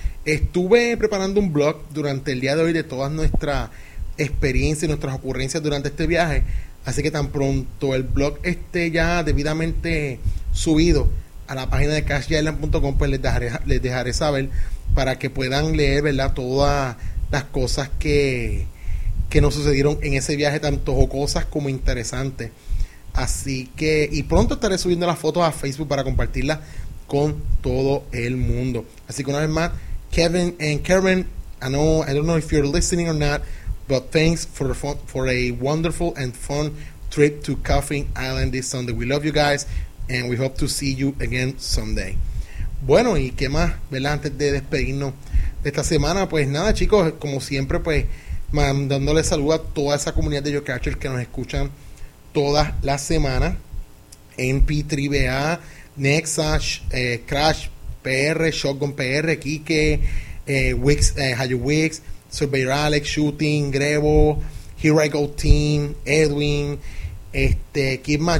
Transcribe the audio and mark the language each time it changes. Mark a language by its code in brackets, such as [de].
[es] Estuve preparando un blog durante el día de hoy de todas nuestras experiencias y nuestras ocurrencias durante este viaje, así que tan pronto el blog esté ya debidamente subido a la página de cashyailand.com, pues les dejaré saber para que puedan leer, ¿verdad?, todas las cosas que nos sucedieron en ese viaje, tanto jocosas como interesantes. Así que, y pronto estaré subiendo las fotos a Facebook para compartirlas con todo el mundo. Así que una vez más, [en] Kevin and Karen, I don't know if you're listening or not, but thanks for a wonderful and fun trip to Coffin Island this Sunday. We love you guys and we hope to see you again someday. [es] Bueno, y qué más, ¿verdad?, antes de despedirnos esta semana, pues nada, chicos, como siempre, pues mandándole saludos a toda esa comunidad de geocachers que nos escuchan todas las semanas en P3BA, Nexash, Crash PR, Shotgun PR, Kike, Wix, Haju Wix, Surveyor Alex, Shooting, Grebo, Here I Go Team, Edwin, ¿quién más?